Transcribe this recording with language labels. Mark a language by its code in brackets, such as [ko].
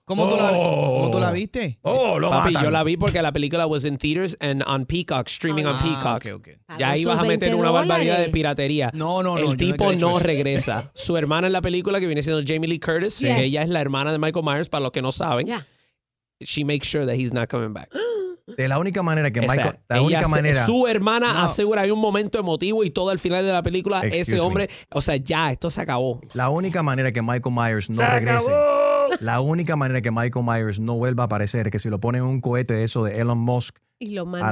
[es] ¿Cómo tú la viste? ¡Oh, lo Papi, matan! Papi, yo la vi porque la película [en] was in theaters and on Peacock, [es] streaming on Peacock. Okay. Ya ibas a meter una barbaridad de piratería. No. El tipo no regresa. Su hermana en la película, que viene siendo Jamie Lee Curtis, ella es la hermana de Michael Myers, para los que no saben. [en] She makes sure that he's not coming back. [es] De la única manera que Michael, su hermana asegura, hay un momento emotivo y todo al final de la película, ese hombre, o sea, ya, esto se acabó. La única manera que Michael Myers no regrese, la única manera que Michael Myers no vuelva a aparecer, que si lo ponen en un cohete de eso de Elon Musk a